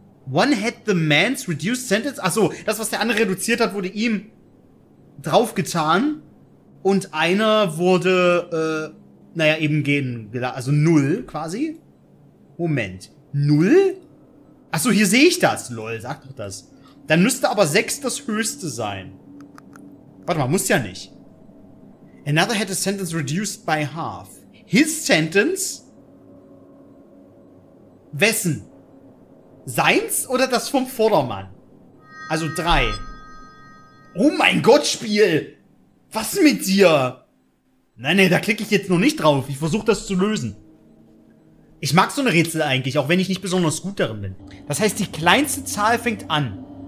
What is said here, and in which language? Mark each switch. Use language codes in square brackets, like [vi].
[en] One had the man's reduced sentence. [de] Achso, das, was der andere reduziert hat, wurde ihm draufgetan. Und einer wurde, eben gehen. Also null quasi. Moment. Null? Achso, hier sehe ich das. Lol, sag doch das. Dann müsste aber 6 das höchste sein. Warte mal, muss ja nicht. [en] Another had a sentence reduced by half. His sentence? [de] Wessen? Seins oder das vom Vordermann? Also 3. Oh mein Gott, Spiel! Was mit dir? Nein, da klicke ich jetzt noch nicht drauf. Ich versuche das zu lösen. Ich mag so eine Rätsel eigentlich, auch wenn ich nicht besonders gut darin bin. Das heißt, die kleinste Zahl fängt an.